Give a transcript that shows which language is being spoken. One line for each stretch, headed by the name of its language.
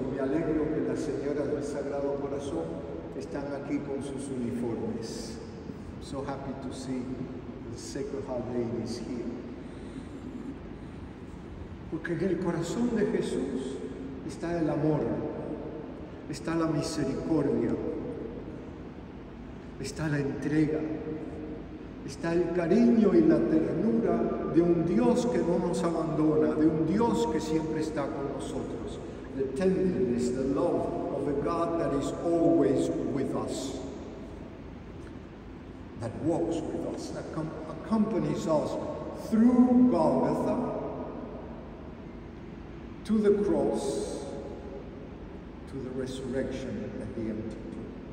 Spanish: Y me alegro que las señoras del Sagrado Corazón están aquí con sus uniformes.
English: So happy to see the Sacred Heart ladies here.
Spanish: Porque en el corazón de Jesús está el amor, está la misericordia, está la entrega, está el cariño y la ternura de un Dios que no nos abandona, de un Dios que siempre está con nosotros.
English: The tenderness, the love of a God that is always with us, that walks with us, that accompanies us through Golgotha to the cross, to the resurrection at the empty tomb.